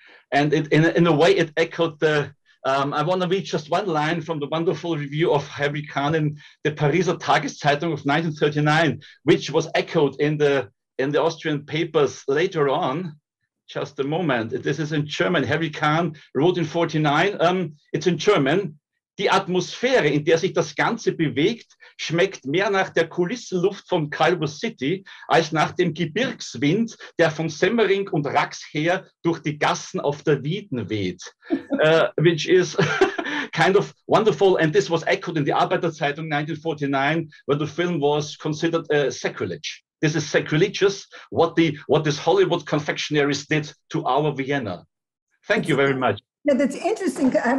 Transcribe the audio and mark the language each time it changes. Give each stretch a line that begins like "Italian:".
English: And in a way, it echoed the I want to read just one line from the wonderful review of Harry Kahn in the Pariser Tageszeitung of 1939, which was echoed in the Austrian papers later on. Just a moment. This is in German. Harry Kahn wrote in 49. It's in German.
German: Die Atmosphäre, in der sich das Ganze bewegt, schmeckt mehr nach der Kulissenluft von Culver City als nach dem Gebirgswind, der von Semmering und Rax her durch die Gassen auf der Wieden weht.
English: Which is kind of wonderful. And this was echoed in the Arbeiterzeitung 1949, when the film was considered a sacrilege. This is sacrilegious, what these Hollywood confectionaries did to our Vienna. Thank you very much. Yeah, that's interesting.